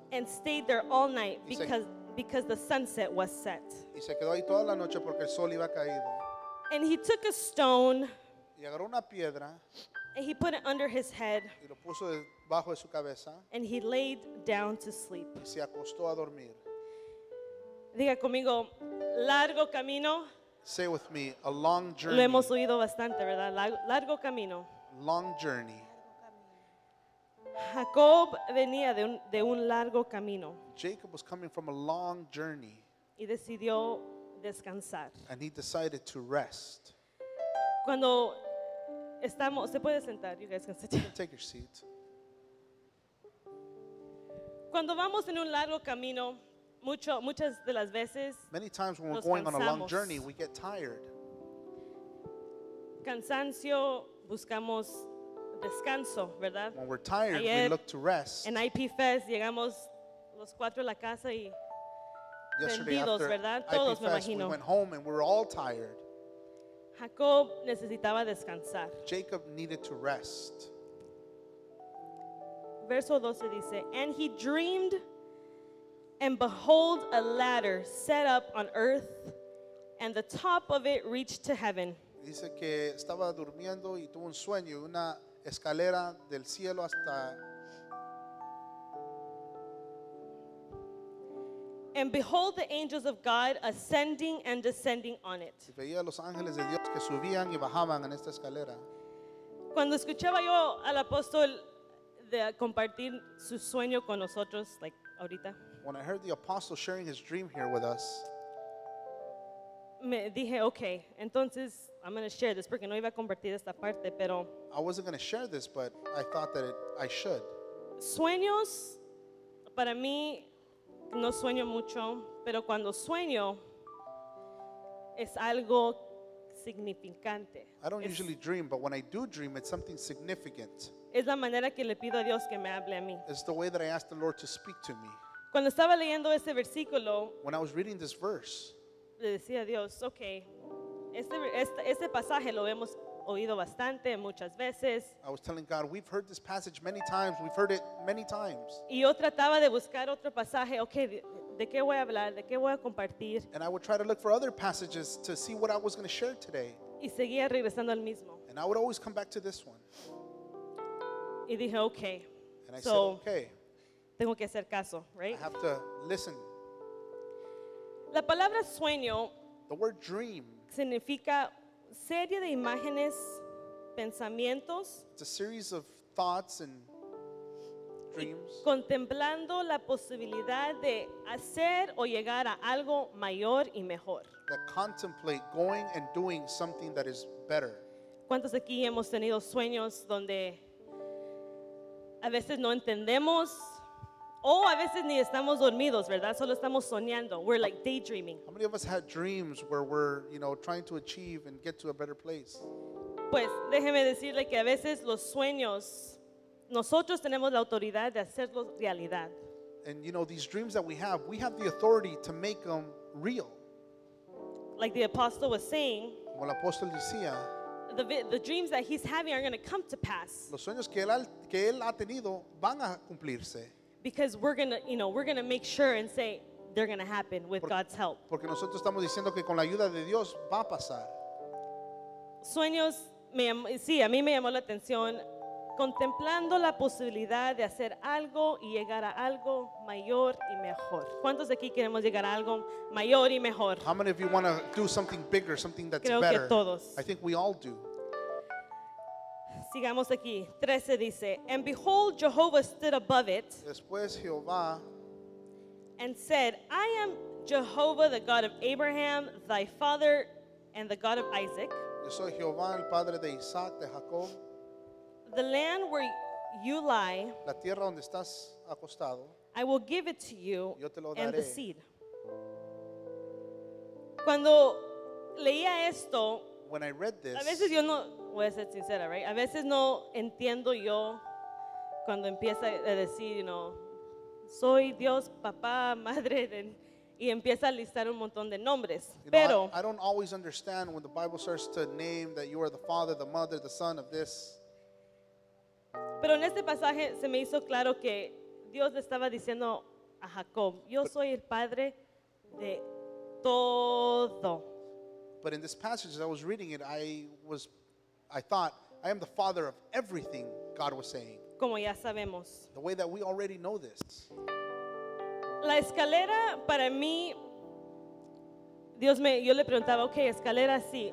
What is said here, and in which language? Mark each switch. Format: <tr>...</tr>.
<en>And stayed there all night because the sunset was set.</en> <es>Y se quedó ahí toda la noche porque el sol iba caído.</es> <en>And he took a stone.</en> <es>Y agarró una piedra.</es> <en>And he put it under his head.</en> <es>Y lo puso debajo de su cabeza.</es> <en>And he laid down to sleep.</en> <es>Y se acostó a dormir. Diga conmigo, largo camino.</es> <en>Say with me, a long journey.</en> <es>Lo hemos oído bastante, ¿verdad? Largo camino.</es> <en>Long journey.</en> <es>Jacob venía de un largo camino.</es> <en>Jacob was coming from a long journey.</en> <es>Y decidió descansar.</es> <en>And he decided to rest.</en> <es>Cuando estamos, se puede sentar,</es> <en>you guys can sit. Take your seat.</en> <es>Cuando vamos en un largo camino, muchas de las veces,</es> <en>many times when we're</en> <es>nos</es> <en>going</en> <es>cansamos.</es> <en>On a long journey, we get tired.</en> <es>Cansancio, buscamos descanso, ¿verdad?</es> <en>When we're tired,</en> <es>ayer,</es> <en>we look to rest.</en> <es>En IP Fest, llegamos los cuatro a la casa y</es> <en>yesterday</en> <es>tendidos, ¿verdad?</es> <en>IP</en> <es>todos,</es> <en>Fest,</en> <es>me imagino.</es> <en>We went home and we were all tired.</en> <es>Jacob necesitaba descansar.</es> <en>Jacob needed to rest.</en> <es>Verso 12 dice,</es> <en>and he dreamed, and behold, a ladder set up on earth, and the top of it reached to heaven.</en> <es>Dice que estaba durmiendo y tuvo un sueño, una escalera del cielo hasta.</es> <en>And behold, the angels of God ascending and descending on it.</en> <es>Y veía a los ángeles de Dios que subían y bajaban en esta escalera. Cuando escuchaba yo al apóstol de compartir su sueño con nosotros, like ahorita.</es> <en>When I heard the apostle sharing his dream here with us,</en> <es>me dije, okay, entonces</es> <en>I'm going to share this</en> <es>porque no iba a compartir esta parte, pero</es> <en>I wasn't going to share this, but I thought that I should.</en> <es>Sueños para mí no sueño mucho, pero cuando sueño es algo significante.</es> <en>I don't usually dream, but when I do dream, it's something significant.</en> <es>Es la manera que le pido a Dios que me hable a mí.</es> <en>It's the way that I ask the Lord to speak to me.</en> <es>Cuando estaba leyendo ese versículo,</es> <en>when I was reading this verse,</en> <es>le decía a Dios, okay, este pasaje lo hemos oído bastante muchas veces.</es> <en>I was telling God, we've heard this passage many times. We've heard it many times.</en> <es>Y yo trataba de buscar otro pasaje. Okay, ¿de qué voy a hablar? ¿De qué voy a compartir?</es> <en>And I would try to look for other passages to see what I was going to share today.</en> <es>Y seguía regresando al mismo.</es> <en>And I would always come back to this one.</en> <es>Y dije, okay.</es> <en>And I said, okay.</en> <es>Tengo que hacer caso, right?</es> <en>I have to listen.</en> <es>La palabra sueño,</es> <en>the word dream,</en> <es>significa serie de imágenes, pensamientos.</es> <en>It's a series of thoughts and dreams.</en> <es>Contemplando la posibilidad de hacer o llegar a algo mayor y mejor.</es> <en>That contemplate going and doing something that is better.</en> <es>¿Cuántos aquí hemos tenido sueños donde a veces no entendemos? Oh, a veces ni estamos dormidos, ¿verdad? Solo estamos soñando.</es> <en>We're like daydreaming. How many of us had dreams where we're, you know, trying to achieve and get to a better place?</en> <es>Pues déjeme decirle que a veces los sueños, nosotros tenemos la autoridad de hacerlos realidad.</es> <en>And you know, these dreams that we have the authority to make them real. Like the apostle was saying,</en> <es>como el apóstol decía,</es> <en>the dreams that he's having are going to come to pass.</en> <es>Los sueños que él ha tenido van a cumplirse.</es> <en>Because we're gonna, you know, we're gonna make sure and say they're gonna happen with God's help.</en> <es>Porque nosotros estamos diciendo que con la ayuda de Dios va a pasar. Sueños, a mí me llamó la atención contemplando la posibilidad de hacer algo y llegar a algo mayor y mejor. ¿Cuántos de aquí queremos llegar a algo mayor y mejor?</es> <en>How many of you want to do something bigger, something that's</en> <es>creo</es> <en>better?</en> <es>Creo que todos.</es> <en>I think we all do.</en> <es>Sigamos aquí. 13 dice,</es> <en>and behold, Jehovah stood above it.</en> <es>Después Jehová.</es> <en>And said, I am Jehovah, the God of Abraham, thy father, and the God of Isaac.</en> <es>Yo soy Jehová, el padre de Isaac, de Jacob.</es> <en>The land where you lie,</en> <es>la tierra donde estás acostado,</es> <en>I will give it to you,</en> <es>yo te lo daré.</es> <en>And the seed.</en> <es>Cuando leía esto,</es> <en>when I read this,</en> <es>a veces yo no, voy a ser sincera, right? A veces no entiendo yo cuando empieza a decir, you know, soy Dios, papá, madre, y empieza a listar un montón de nombres.</es> <en>You know,</en> <es>pero</es> <en>I don't always understand when the Bible starts to name that you are the father, the mother, the son of this.</en> <es>Pero en este pasaje se me hizo claro que Dios le estaba diciendo a Jacob, yo soy el padre de todo.</es> <en>But in this passage, as I was reading it, I thought, I am the father of everything, God was saying.</en> <es>Como ya sabemos.</es> <en>The way that we already know this.</en> <es>La escalera, para mí, yo le preguntaba, okay, escalera, sí.</es>